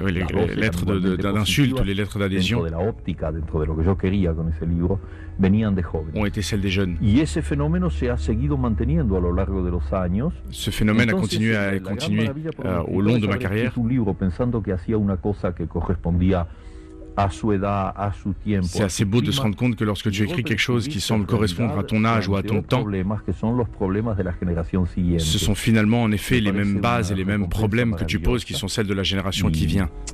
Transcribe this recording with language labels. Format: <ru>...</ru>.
<fr>Oui, les lettres d'insultes, les lettres d'adhésion.</fr> <es>Dentro de la óptica, dentro de lo que yo quería con ese libro, venían de jóvenes.</es> <fr>Ont été celles des jeunes.</fr> <es>Y ese fenómeno se ha seguido manteniendo a lo largo de los años.</es> <fr>Ce phénomène a continué au long de ma carrière.</fr> <es>Un libro pensando que hacía una cosa que correspondía</es> <fr>à son</fr> <es>edad, à son tiempo.</es> <fr>C'est assez beau de se rendre compte que lorsque tu écris quelque chose qui semble correspondre à ton âge ou à ton temps, ce sont finalement en effet les mêmes bases et les mêmes problèmes que tu poses qui sont celles de la génération qui vient.</fr>